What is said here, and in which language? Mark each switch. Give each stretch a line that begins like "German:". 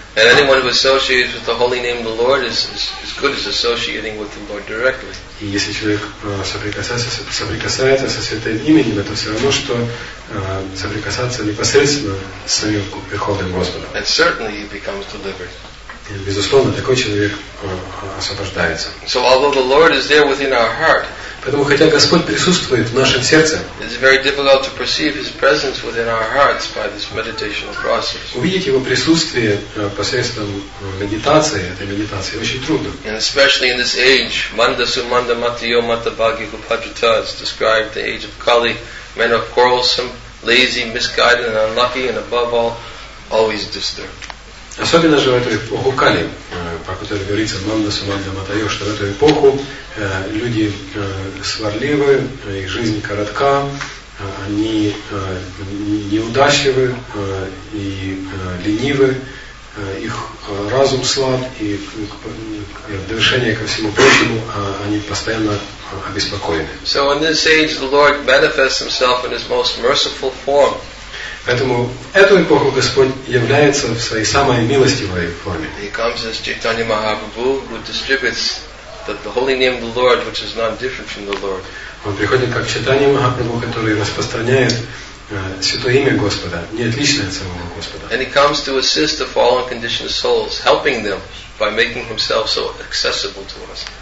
English: And anyone who associates with the holy name of the Lord is good as associating with the Lord directly.
Russian: И если человек соприкасается со святым именем, это все равно, что соприкасаться непосредственно с самим Верховным Господом.
English: And certainly he becomes delivered.
Russian: И, безусловно, такой человек освобождается.
English: So although the Lord is there within our heart,
Russian: Поэтому, хотя Господь присутствует в нашем сердце, увидеть Его присутствие посредством медитации, этой медитации, очень трудно.
English: And especially in this age,
Sanskrit: Manda Sumanda Matiyo Matabhagi Gupadrita
English: is described the age of Kali, men are quarrelsome, lazy, misguided and unlucky, and above all, always disturbed.
Russian: Особенно же в эту эпоху Кали, про которую говорится
Sanskrit: Манда Суманда Матайо,
Russian: что в эту эпоху люди сварливы, их жизнь коротка, они неудачливы и ленивы, их разум слаб, и в довершение ко всему прочему они постоянно обеспокоены.
English: So in this age the Lord manifests himself in his most merciful form.
Russian: Поэтому в эту эпоху Господь является в своей самой милостивой форме.
English: He comes as Chaitanya Mahaprabhu, who distributes the holy name of the Lord, which is not different from the Lord.
Russian: Он приходит как Чайтанья Махапрабху, который распространяет святое имя Господа, не отличное от самого Господа.
English: And he comes to assist the fallen conditioned souls, helping them by making himself so accessible to us.